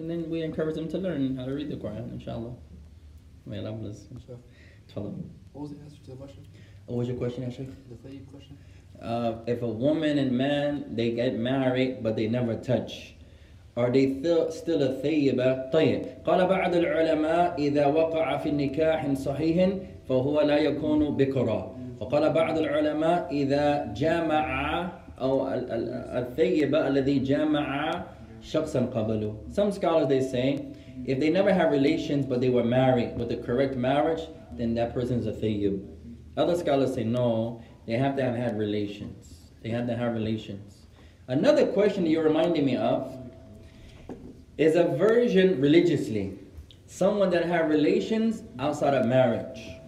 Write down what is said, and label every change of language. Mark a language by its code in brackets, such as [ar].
[en] And then we encourage them to learn how to read the Quran, inshallah. May Allah bless. Tell them. What was the answer to the question? What was your question, Ashraf? The Tayyib question. If a woman and man, they get married, but they never touch. Are they still a ثيبة؟ طيب. [ar] قال بعض العلماء إذا وقع في النكاح صحيح فهو لا يكون بكرا. فقال بعض العلماء إذا جامع أو الثيبة الذي جامع شخصا قبله. [en] Some scholars they say, if they never had relations but they were married with the correct marriage, then that person is a ثيب. Other scholars say no, they have to have had relations. They have to have relations. Another question that you're reminding me of, is a virgin religiously, someone that had relations outside of marriage.